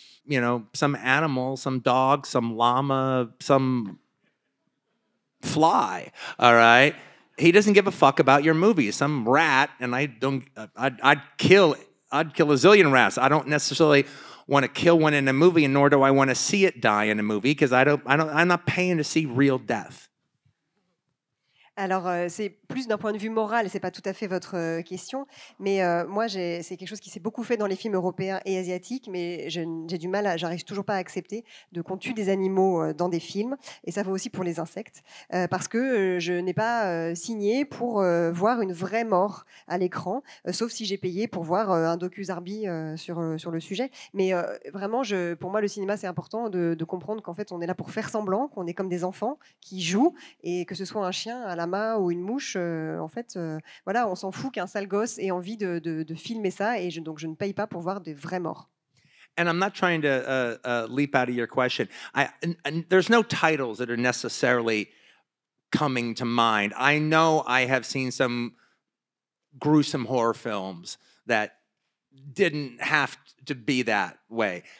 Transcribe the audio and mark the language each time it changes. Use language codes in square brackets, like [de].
[en] you know, some animal, some dog, some llama, some fly, all right? He doesn't give a fuck about your movie. Some rat, and I'd kill a zillion rats. I don't necessarily want to kill one in a movie, nor do I want to see it die in a movie, because I'm not paying to see real death. [fr] Alors, c'est plus d'un point de vue moral, ce n'est pas tout à fait votre question, mais moi, c'est quelque chose qui s'est beaucoup fait dans les films européens et asiatiques, mais j'arrive toujours pas à accepter de qu'on tue des animaux dans des films, et ça vaut aussi pour les insectes, parce que je n'ai pas signé pour voir une vraie mort à l'écran, sauf si j'ai payé pour voir un docu-zarbi sur le sujet. Mais vraiment, pour moi, le cinéma, c'est important de comprendre qu'en fait, on est là pour faire semblant, qu'on est comme des enfants qui jouent, et que ce soit un chien, un lama ou une mouche, en fait, voilà, on s'en fout qu'un sale gosse ait envie de filmer ça, et donc je ne paye pas pour voir des vrais morts. [en] And I'm not trying to leap out of your question. There's no titles that are necessarily coming to mind. I know I have seen some gruesome horror films that didn't have to be that way.